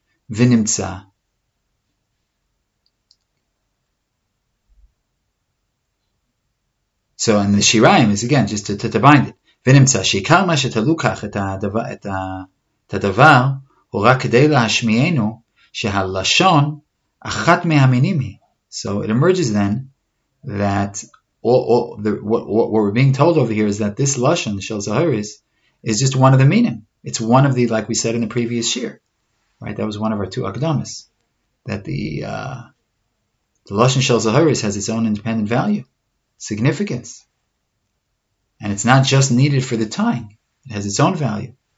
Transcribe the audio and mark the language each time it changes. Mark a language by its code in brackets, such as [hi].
[en] ונמצא, so, and the Shirayim is again just to bind it. [he] ונמצא, שעיקר מה שאתה לוקח את הדבר, הוא רק כדי להשמיענו שהלשון אחת מהמינים היא. [en] So it emerges then that what we're being told over here is that this lashon shel zahiris is just one of the meaning. It's one of the, like we said in the previous shir, right? That was one of our two akdamas, that the lashon shel zahiris has its own independent value, significance, and it's not just needed for the tying. It has its own value.